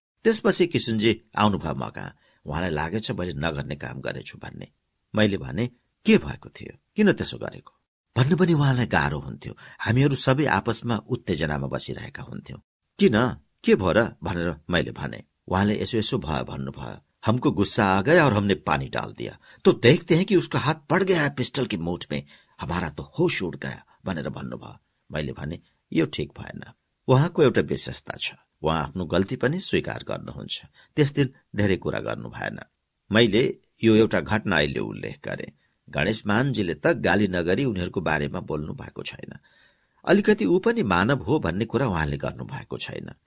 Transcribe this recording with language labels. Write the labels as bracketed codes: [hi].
[ne] त्यसपछि किशुनजी आउनुभयो म कहाँ, उहाँलाई लागेछ मैले नगर्ने काम गरेछु भन्ने। मैले भने के भएको थियो, किन त्यसो गरेको भन्नु पनि उहाँलाई गाह्रो हुन्थ्यो। हामीहरू सबै आपसमा उत्तेजनामा बसिरहेका हुन्थ्यौं। किन, के भयो र भनेर मैले भने। उहाँले यसो यसो भयो भन्नुभयो, [hi] हमको गुस्सा आ गया और हमने पानी डाल दिया, तो देखते हैं कि उसका हाथ पड़ गया है पिस्टल की मुठ में, हमारा तो होश उड़ गया [ne] भनेर भन्नुभयो। मैले भने यो ठिक भएन। उहाँको एउटा विशेषता छ, उहाँ आफ्नो गल्ती पनि स्वीकार गर्नुहुन्छ। त्यस दिन धेरै कुरा गर्नु भएन। मैले यो एउटा घटना अहिले उल्लेख गरे, गणेश मानजीले त गाली नगरी उनीहरूको बारेमा बोल्नु भएको छैन, अलिकति ऊ पनि मानव हो भन्ने कुरा उहाँले गर्नु भएको छैन।